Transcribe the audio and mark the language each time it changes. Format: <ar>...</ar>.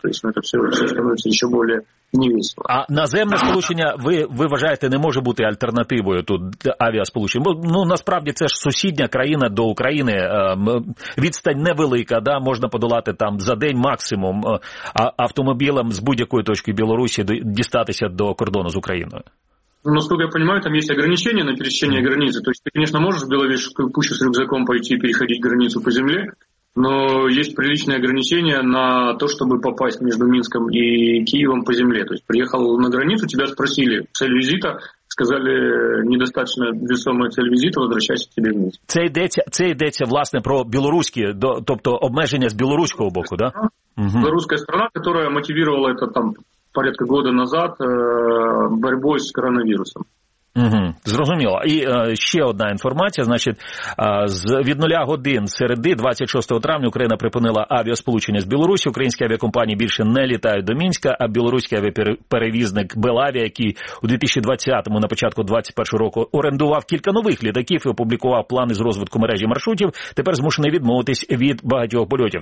<ru>То есть, ну, это все становится еще более невесело.</ru> <uk>А наземне сполучення, ви вважаєте, не може бути альтернативою тут авіасполучення? Ну, насправді, це ж сусідня країна до України, відстань невелика, да, можна подолати там за день максимум автомобілем з будь-якої точки Білорусі дістатися до кордону з Україною. Ну, наскільки я розумію, там є обмеження на</uk> <ru>пересечення границі.</ru> <uk>Тобто, ти, звісно, можеш в Білорусі пущу з рюкзаком пойти переходити границю по землі,</uk> <ru>но есть приличные ограничения на то, чтобы попасть между Минском и Киевом по земле. То есть приехал на границу, тебя спросили, цель визита, сказали, недостаточно весомая цель визита, возвращайся к тебе в Минск.</ru> <uk>Це йдеться, власне, про білоруські, тобто обмеження з білоруського боку, да?</uk> <ru>Білоруська страна, которая мотивировала это там порядка года назад борьбой с коронавирусом.</ru> <uk>Угу, зрозуміло. І ще одна інформація, значить, від 0 годин середи 26 травня Україна припинила авіасполучення з Білорусі. Українські авіакомпанії більше не літають до Мінська, а білоруський авіаперевізник Белавія, який у 2020-му на початку 2021 року орендував кілька нових літаків і опублікував плани з розвитку мережі маршрутів, тепер змушений відмовитись від багатьох польотів.</uk>